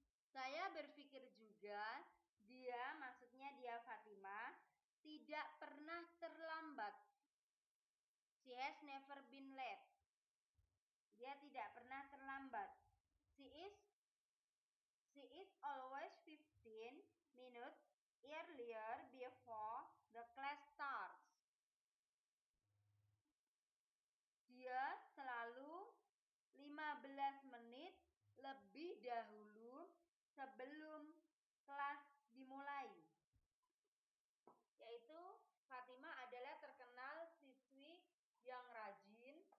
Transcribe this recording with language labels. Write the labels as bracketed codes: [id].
[id] Saya berpikir juga dia, maksudnya dia Fatima, tidak pernah terlambat. [en] She has never been late. [id] Dia tidak pernah terlambat. [en] She is always 15 minutes earlier before the class starts. [id] Dia selalu 15 menit lebih dahulu sebelum kelas dimulai. Yaitu Fatima adalah terkenal siswi yang rajin.